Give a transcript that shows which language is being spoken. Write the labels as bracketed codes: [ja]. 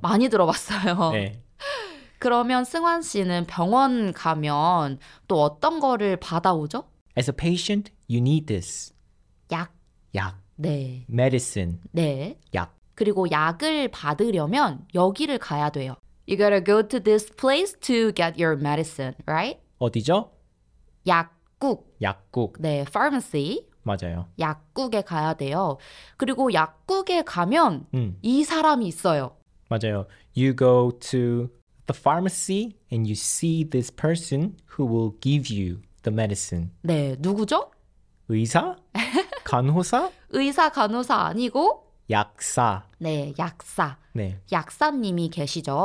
[ko] 많이 들어봤어요. 네. 그러면 승환 씨는 병원 가면 또 어떤 거를 받아오죠? [en] As a patient, you need this. [ko] 약. 약. 네. [en] Medicine. [ko] 네. 약. 그리고 약을 받으려면 여기를 가야 돼요. [en] You gotta go to this place to get your medicine, right? [ko] 어디죠? 약국. 약국. [en] 네, pharmacy. [ko] 맞아요. 약국에 가야 돼요. 그리고 약국에 가면 이 사람이 있어요. 맞아요. [en] You go to the pharmacy and you see this person who will give you the medicine. [ko] 네, 누구죠? 의사? 간호사? 의사, 간호사 아니고? 약사. 네, 약사. 네. 약사님이 계시죠?